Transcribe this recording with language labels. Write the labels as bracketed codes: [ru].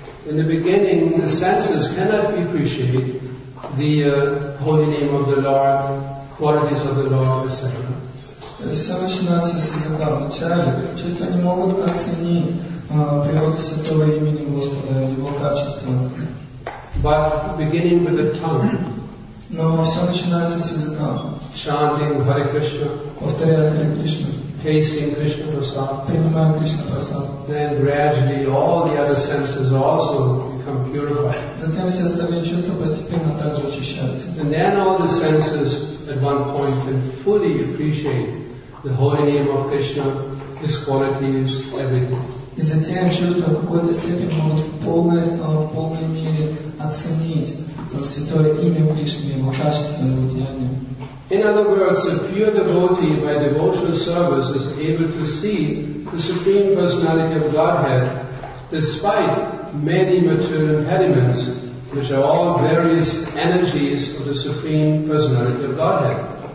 [en] In the beginning, the senses cannot appreciate the holy name of the Lord, qualities of the Lord, etc. [ru] То есть все начинается с языка в начале. Чувства не могут оценить природу Святого имени Господа, Его качества. [en] But beginning with the tongue. [ru] Но все начинается с языка. [en] Chanting Hare Krishna. [ru] Повторяя Hare Krishna. [en] Tasting Krishna Prasad. [ru] Принимая Krishna Prasad. [en] Then gradually all the other senses also become purified. [ru] Затем все остальные чувства постепенно также очищаются. [en] And then all the senses at one point can fully appreciate the holy name of Krishna, His qualities, everything. [ru] И затем чувства в какой-то степени могут в полной мере оценить святое имя Кришны, Его качество, Его деяния. [en] In other words, a pure devotee by devotional service is able to see the Supreme Personality of Godhead despite many material impediments, which are all various energies of the Supreme Personality of Godhead.